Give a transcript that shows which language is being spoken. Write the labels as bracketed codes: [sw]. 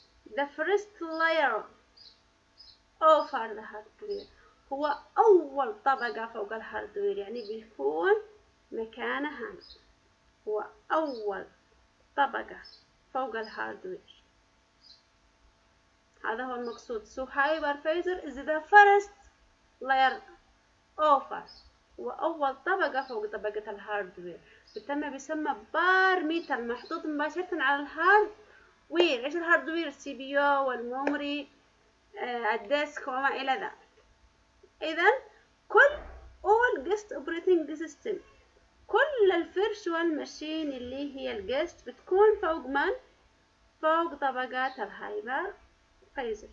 [en] The first layer over the hardware [ar] هو أول طبقة فوق الهاردوير، يعني بيكون مكانه هنا، هو أول طبقة فوق الهاردوير. هذا هو المقصود. [en] So hypervisor is the first layer over، [ar] هو أول طبقة فوق طبقة الهاردوير. بتم بيسمى بار ميتر، محطوط مباشرة على الهاردوير. إيش الهاردوير؟ سي بي يو والميموري، الديسك وما إلى ذلك. إذا كل [en] all guest operating system، [ar] كل الفيرشوال ماشين اللي هي الجست بتكون فوق من؟ فوق طبقات الهايبر فايزر.